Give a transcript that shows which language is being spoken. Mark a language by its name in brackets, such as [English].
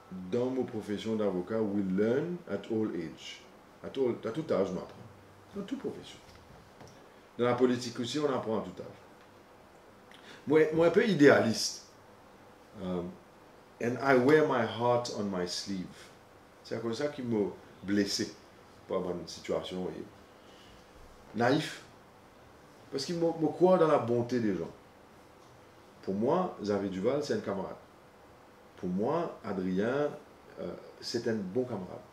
[French] Dans ma profession d'avocat, [English] we learn at all age. [French] À tout âge, on apprend. Dans toute profession. Dans la politique aussi, on apprend à tout âge. Moi, un peu idéaliste. [English] And I wear my heart on my sleeve. [French] C'est à cause ça qui m'a blessé par ma situation. Et naïf. Parce qu'il me croit dans la bonté des gens. Pour moi, Xavier Duval, c'est un camarade. Pour moi, Adrien, c'est un bon camarade.